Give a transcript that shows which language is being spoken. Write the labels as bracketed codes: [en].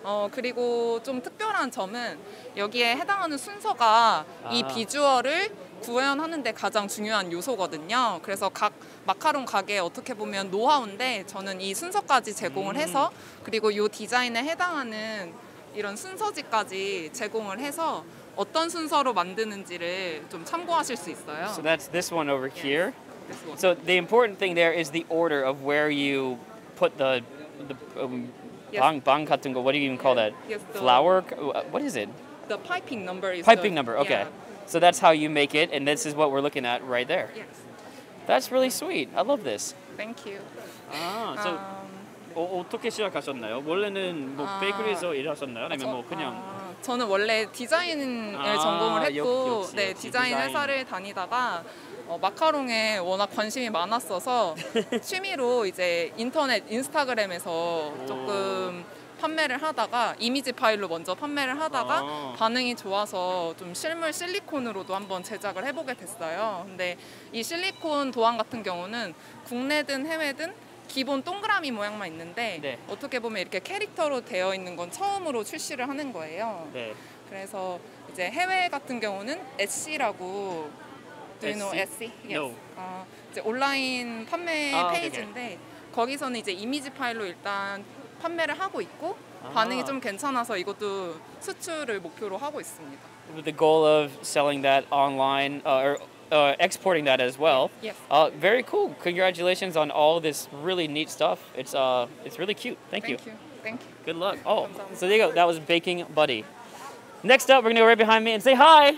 [ko] 그리고 좀 특별한 점은 여기에 해당하는 순서가 이 비주얼을 구현하는 데 가장 중요한 요소거든요. 그래서 각 마카롱 가게에 어떻게 보면 노하우인데 저는 이 순서까지 제공을 해서 그리고 이 디자인에 해당하는 이런 순서지까지 제공을 해서 어떤 순서로 만드는지를 좀 참고하실 수 있어요. [en] So that's this one over here. Yes. So the important thing there is the order of where you put the yes. [ko] 방 같은 거, [en] what do you even call yes. that? Yes, flower? What is it? The piping number is piping number, okay. Yeah. So that's how you make it, and this is what we're looking at right there. Yes. That's really sweet. I love this. Thank you. [ko] 아, so 어떻게 시작하셨나요? 원래는 뭐 베이커리에서 일하셨나요? 아니면 뭐 그냥? 저는 원래 디자인을 전공을 했고, 역시 네, 디자인 회사를 다니다가 마카롱에 워낙 관심이 많았어서 취미로 이제 인터넷 인스타그램에서 조금 판매를 하다가 이미지 파일로 먼저 판매를 하다가 반응이 좋아서 좀 실물 실리콘으로도 한번 제작을 해보게 됐어요. 근데 이 실리콘 도안 같은 경우는 국내든 해외든 기본 동그라미 모양만 있는데 네. 어떻게 보면 이렇게 캐릭터로 되어 있는 건 처음으로 출시를 하는 거예요. 네. 그래서 이제 해외 같은 경우는 Etsy라고 [en] Do you know Etsy? Yes. No. [ko] 이제 온라인 판매 페이지인데 okay. 거기서는 이제 이미지 파일로 일단 판매를 하고 있고 반응이 좀 괜찮아서 이것도 수출을 목표로 하고 있습니다. [en] With the goal of selling that online or exporting that as well. Yes. Very cool. Congratulations on all this really neat stuff. It's really cute. Thank you. Good luck. Oh, [ko] 감사합니다. [en] So there you go. That was Baking Buddy. Next up, we're gonna go right behind me and say hi.